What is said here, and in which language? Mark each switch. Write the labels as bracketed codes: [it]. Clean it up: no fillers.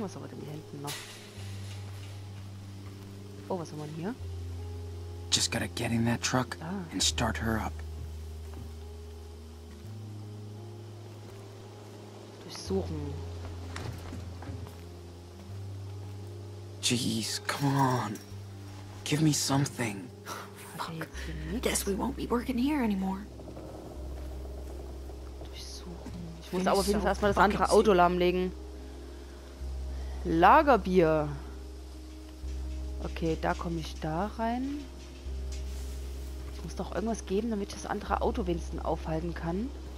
[de] Was haben wir denn hier hinten noch? Oh, was haben wir denn hier? [en] Just gotta get in that truck and start her up. [de] Durchsuchen. [en] Jeez, come on. Give me something. Fuck. Guess we won't be working here anymore. [de] Durchsuchen. Ich muss aber auf jeden Fall erstmal das andere Auto lahmlegen. Lagerbier. Okay, da komme ich da rein. Es muss doch irgendwas geben, damit ich das andere Auto wenigstens aufhalten kann.